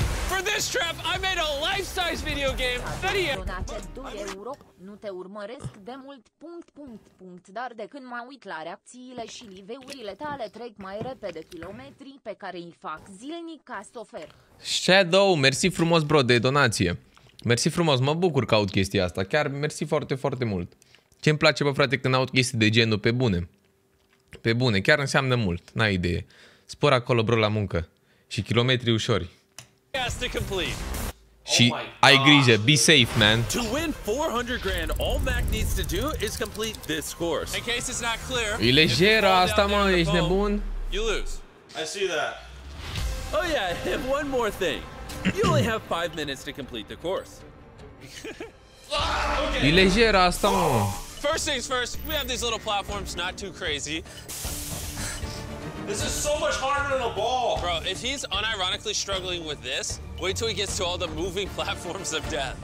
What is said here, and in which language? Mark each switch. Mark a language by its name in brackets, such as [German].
[English] For this trap, I made a life-size video game. Video. [Romanian] Donate 2 euro, nu te urmăresc de mult, punct, punct, punct. Dar de când mă uit la reacțiile și live-urile tale, trec mai repede kilometri pe care îi fac zilnic ca să ofer. Shadow, mersi frumos, bro, de donație. Mersi frumos, mă bucur că aud chestia asta. Chiar mersi foarte, foarte mult. Ce-mi place, bă, frate, când aud chestii de genul pe bune. Pe bune, chiar înseamnă mult, n-ai idee. Spor acolo, bro, la muncă. Și kilometri ușori. Și ai grijă, [English] be safe, man. To win 400 grand, all Mac needs to do is complete this course. In case it's not clear. [Romanian] E lejera asta, mă, ești nebun? [English] You lose. I see that. Oh yeah, and one more thing. You only have 5 minutes to complete the course. [Romanian] Okay. E lejera asta, mă. [English] First things first, we have these little platforms, not too crazy. This is so much harder than a ball. Bro, if he's unironically struggling with this, wait till he gets to all the moving platforms of death.